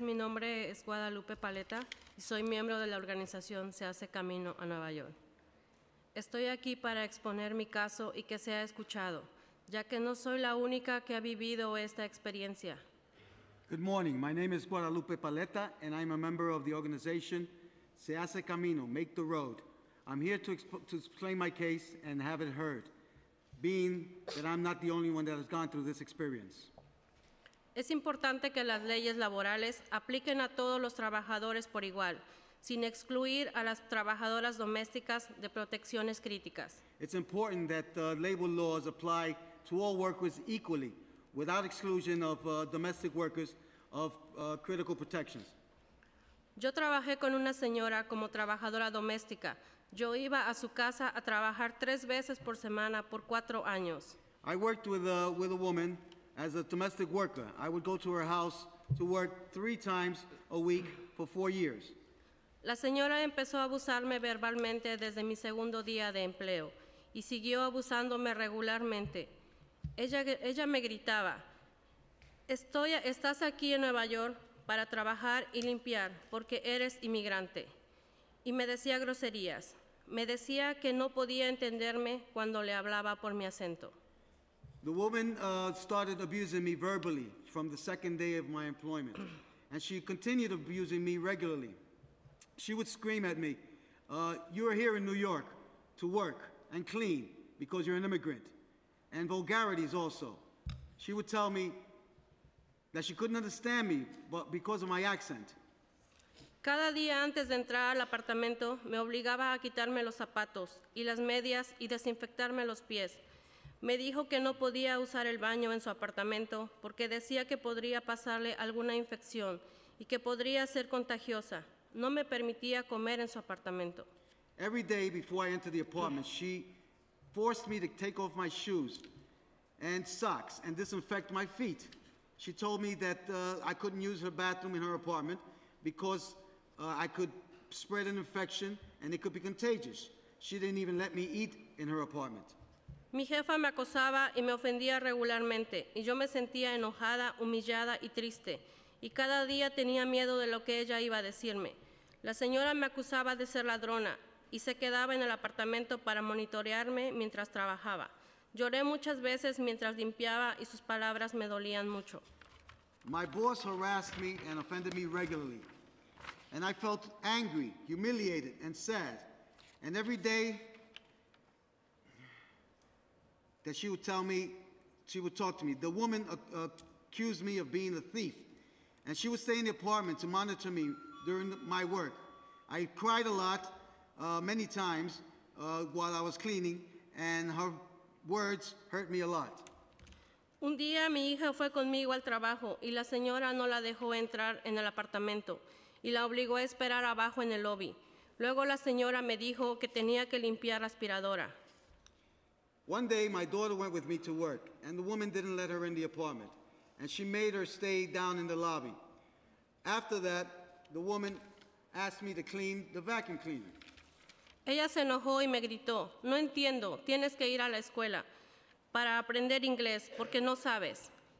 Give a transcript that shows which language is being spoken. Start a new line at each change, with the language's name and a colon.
Spanish: Mi nombre es Guadalupe Paleta y soy miembro de la organización Se Hace Camino a Nueva York. Estoy aquí para exponer mi caso y que sea escuchado, ya que no soy la única que ha vivido esta experiencia.
English: Good morning. My name is Guadalupe Paleta, and I'm a member of the organization Se Hace Camino, Make the Road. I'm here to explain my case and have it heard, being that I'm not the only one that has gone through this experience.
Spanish: Es importante que las leyes laborales apliquen a todos los trabajadores por igual, sin excluir a las trabajadoras domésticas de protecciones críticas.
English: It's important that labor laws apply to all workers equally, without exclusion of domestic workers of critical protections.
Spanish: Yo trabajé con una señora como trabajadora doméstica. Yo iba a su casa a trabajar tres veces por semana por 4 años.
English: I worked with a woman as a domestic worker. I would go to her house to work 3 times a week for 4 years.
Spanish: La señora empezó a abusarme verbalmente desde mi segundo día de empleo y siguió abusándome regularmente. Ella me gritaba, estás aquí en Nueva York para trabajar y limpiar porque eres inmigrante. Y me decía groserías. Me decía que no podía entenderme cuando le hablaba por mi acento.
English: The woman started abusing me verbally from the second day of my employment, and she continued abusing me regularly. She would scream at me, you are here in New York to work and clean because you're an immigrant, and vulgarities also. She would tell me that she couldn't understand me but because of my accent.
Spanish: Cada día antes de entrar al apartamento, me obligaba a quitarme los zapatos y las medias y desinfectarme los pies. Me dijo que no podía usar el baño en su apartamento porque decía que podría pasarle alguna infección y que podría ser contagiosa. No me permitía comer en su apartamento.
English: Every day before I entered the apartment, she forced me to take off my shoes and socks and disinfect my feet. She told me that I couldn't use her bathroom in her apartment because I could spread an infection and it could be contagious. She didn't even let me eat in her apartment.
Spanish: Mi jefa me acosaba y me ofendía regularmente, y yo me sentía enojada, humillada y triste, y cada día tenía miedo de lo que ella iba a decirme. La señora me acusaba de ser ladrona y se quedaba en el apartamento para monitorearme mientras trabajaba. Lloré muchas veces mientras limpiaba y sus palabras me dolían mucho.
English: My boss harassed me and offended me regularly, and I felt angry, humiliated, and sad. And every day that she would tell me, she would talk to me. The woman accused me of being a thief, and she would stay in the apartment to monitor me during my work. I cried a lot, many times, while I was cleaning, and her words hurt me a lot.
Spanish: Un día mi hija fue conmigo al trabajo, y la señora no la dejó entrar en el apartamento, y la obligó a esperar abajo en el lobby. Luego la señora me dijo que tenía que limpiar la aspiradora.
English: One day, my daughter went with me to work, and the woman didn't let her in the apartment, and she made her stay down in the lobby. After that, the woman asked me to clean the vacuum cleaner.
Spanish: Ella se enojó y me gritó, no entiendo, tienes que ir a la escuela para aprender inglés, porque no sabes.